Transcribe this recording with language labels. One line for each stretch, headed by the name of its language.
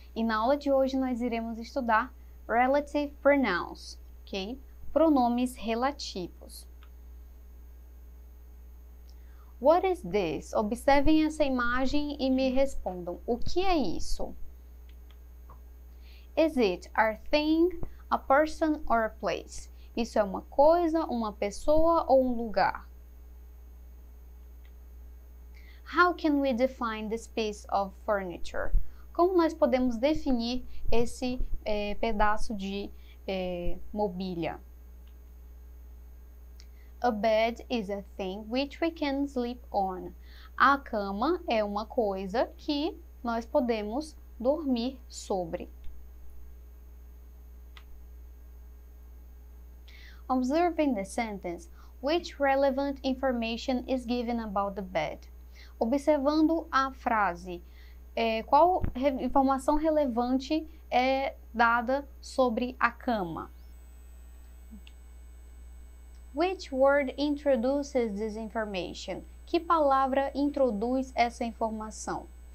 Portuguese: E na aula de hoje nós iremos estudar relative pronouns, ok? Pronomes relativos.
English: What is this?
Portuguese: Observem essa imagem e me respondam. O que é isso?
English: Is it a thing, a person or a place?
Portuguese: Isso é uma coisa, uma pessoa ou um lugar?
English: How can we define this piece of furniture?
Portuguese: Como nós podemos definir esse pedaço de mobília?
English: A bed is a thing which we can sleep on.
Portuguese: A cama é uma coisa que nós podemos dormir sobre.
English: Observing the sentence, which relevant information is given about the bed?
Portuguese: Observando a frase, qual informação relevante é dada sobre a cama?
English: Which word introduces this information?
Portuguese: Que palavra introduz essa informação?